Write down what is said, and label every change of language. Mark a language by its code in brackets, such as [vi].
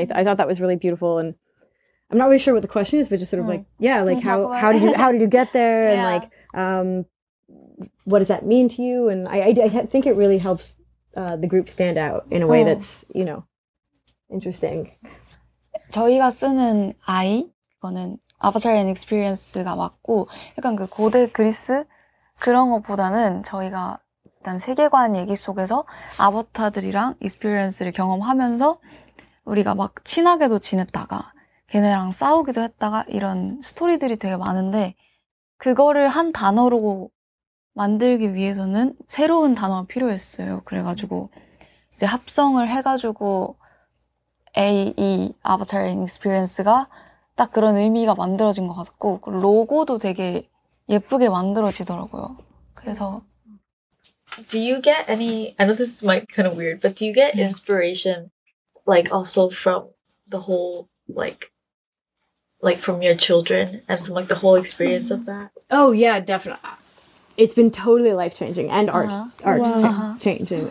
[en] And I thought that was really beautiful. And I'm not really sure what the question is, but just sort of how did you get there? And what does that mean to you? And I think it really helps the group stand out in a way that's, you know, interesting. [ko] 저희가 쓰는 I, 이거는 avatar and experience가 맞고, 약간 그 고대 그리스 그런 것보다는 저희가 일단 세계관 얘기 속에서 아바타들이랑 experience를 경험하면서 우리가 막 친하게도 지냈다가 걔네랑 싸우기도 했다가 이런 스토리들이 되게 많은데 그거를 한 단어로 만들기 위해서는 새로운 단어가 필요했어요. 그래가지고 이제 합성을 해가지고 AE, Avatar and Experience가 딱 그런 의미가 만들어진 것 같고 로고도 되게 예쁘게 만들어지더라고요. 그래서 [en] Do you get any, I know this might be kind of weird, but do you get inspiration like also from the whole like from your children and from like the whole experience of that? Oh yeah, definitely. It's been totally life-changing and art-changing.